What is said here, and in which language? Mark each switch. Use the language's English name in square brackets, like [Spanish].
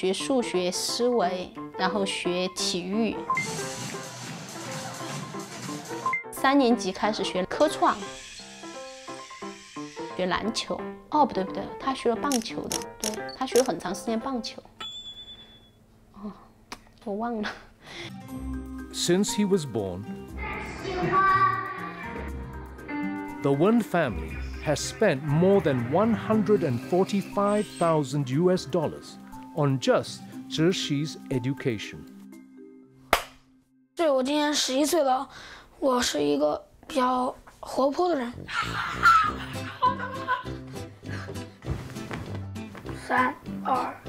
[Chinese] 2岁多到3岁开始学英语，就是3到6岁开始学钢琴，也学了一点画画。1年级的时候学数学思维，然后学体育。 [English] Since he was born, the Wen family has spent more than $145,000 on just Zhexi's education. [Chinese] 对，我今年11岁了。我是一个比较活泼的人。三二。